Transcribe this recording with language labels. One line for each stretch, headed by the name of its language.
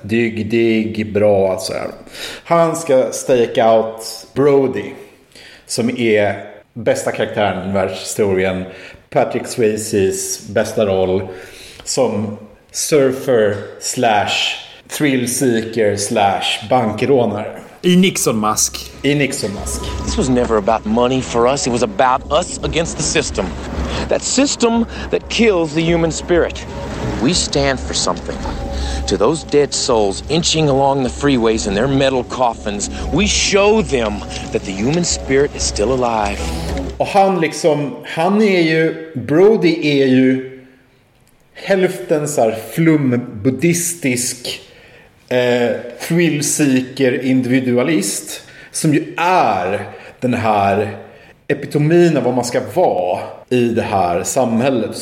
Swedish: Dygdig, bra, alltså. Han ska
English: stake out
Swedish: Brody, som är bästa karaktären i världshistorien. Patrick Swayzes bästa roll som surfer / thrillseeker / bankrånare. I Nixon-mask.
English: This was never about money for us. It was about us against the system. That system that kills the human spirit. We stand for something. To those dead souls inching along the freeways in their metal coffins, we show them that the human spirit is still alive.
Swedish: Och han liksom, han är ju, Brody är ju hälften så här flumbuddhistisk thrillseeker individualist, som ju är den här epitomin av vad man ska vara i det här samhället.